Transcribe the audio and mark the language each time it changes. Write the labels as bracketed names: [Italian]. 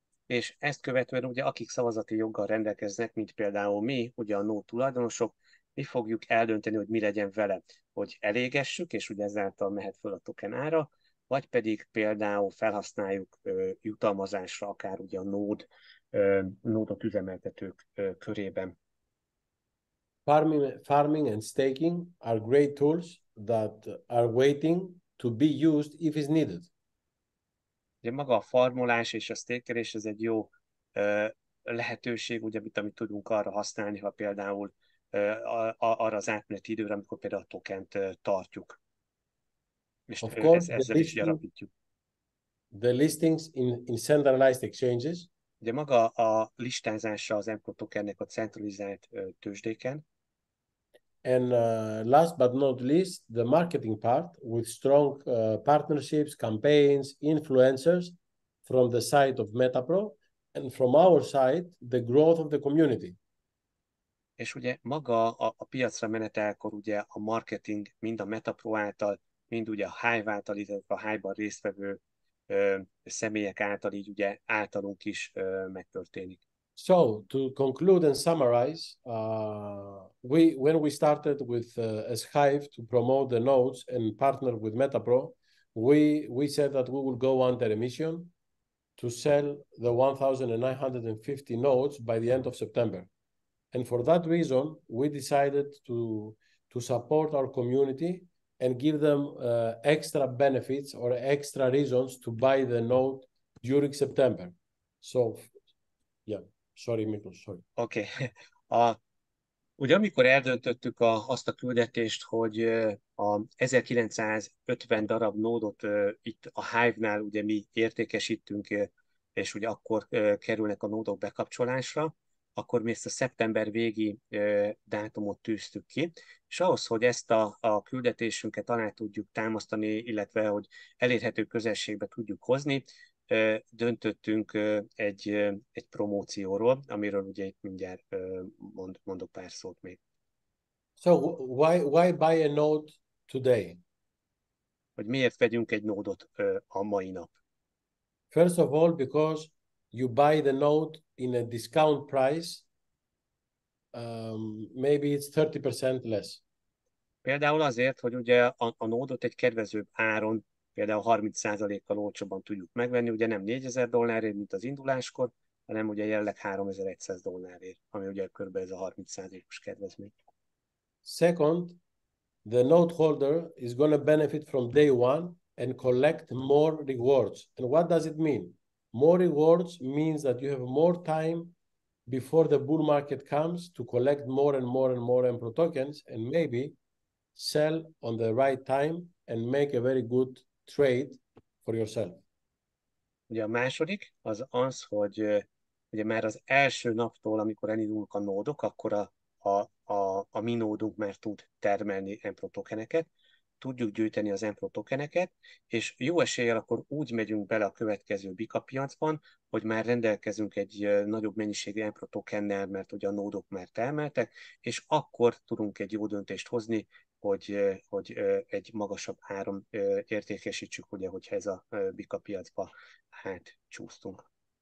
[Hungarian] És ezt követően ugye akik szavazati joggal rendelkeznek, mint például mi, ugye a nód tulajdonosok, mi fogjuk eldönteni, hogy mi legyen vele, hogy elégessük, és ugye ezáltal mehet föl a token ára, vagy pedig például felhasználjuk jutalmazásra, akár ugye a nódot üzemeltetők körében. [English] Farming and staking are great tools that are waiting to be used if it's needed. [Hungarian] Ugye maga a farmolás és a stakerés ez egy jó lehetőség, ugye, amit tudunk arra használni, ha például arra az átmeneti időre, amikor például a tokent tartjuk. És [English] of course, [Hungarian] ezzel is gyarapítjuk. [English] The listings in centralized exchanges. [Hungarian] Ugye maga a listázása az MCO tokennek a centralizált tőzsdéken. [English] And last but not least, the marketing part with strong partnerships, campaigns, influencers from the side of MetaPro and from our side, the growth of the community. [Hungarian] És ugye maga a piacra menetelkor ugye a marketing mind a MetaPro által, mind ugye a Hive által, illetve a Hive-ban résztvevő személyek által így ugye általunk is megtörténik. [English] So, to conclude and summarize, when we started with as Hive to promote the nodes and partner with MetaPro, we said that we will go under a mission to sell the 1,950 nodes by the end of September. And for that reason, we decided to support our community and give them extra benefits or extra reasons to buy the node during September. So, yeah. Sorry, Miklós, sorry. Okay. [Hungarian] Ugye amikor eldöntöttük azt a küldetést, hogy a 1950 darab nódot itt a Hive-nál ugye mi értékesítünk, és ugye akkor kerülnek a nódok bekapcsolásra, akkor mi ezt a szeptember végi dátumot tűztük ki, és ahhoz, hogy ezt a küldetésünket alá tudjuk támasztani, illetve hogy elérhető közelségbe tudjuk hozni, döntöttünk egy promócióról, amiről ugye itt mindjárt mondok pár szót még. [English] So why buy a node today? [Hungarian] Hogy miért vegyünk egy nódot a mai nap? [English] First of all, because you buy the node in a discount price, maybe it's 30% less. [Hungarian] Például azért, hogy ugye a nódot egy kedvezőbb áron, például 30%-kal olcsóban tudjuk megvenni, ugye nem 4000 dollárért, mint az induláskor, hanem ugye jelenleg 3100 dollárért, ami ugye körülbelül ez a 30%-os kedvezmény. [English] Second, the note holder is going to benefit from day one and collect more rewards. And what does it mean? More rewards means that you have more time before the bull market comes to collect more and more and more MPRO tokens and maybe sell on the right time and make a very good trade for yourself. [Hungarian] Ugye a második az az, hogy ugye már az első naptól, amikor elindulnak a nódok, akkor a mi nódunk már tud termelni MPRO tokeneket, tudjuk gyűjteni az MPRO tokeneket, és jó eséllyel akkor úgy megyünk bele a következő Bika piacban, hogy már rendelkezünk egy nagyobb mennyiségű MPRO tokennel, mert ugye a nódok már termeltek, és akkor tudunk egy jó döntést hozni, hogy egy magasabb áron értékesítsük, ugye, hogyha ez a Bika piacba hát csúsztunk.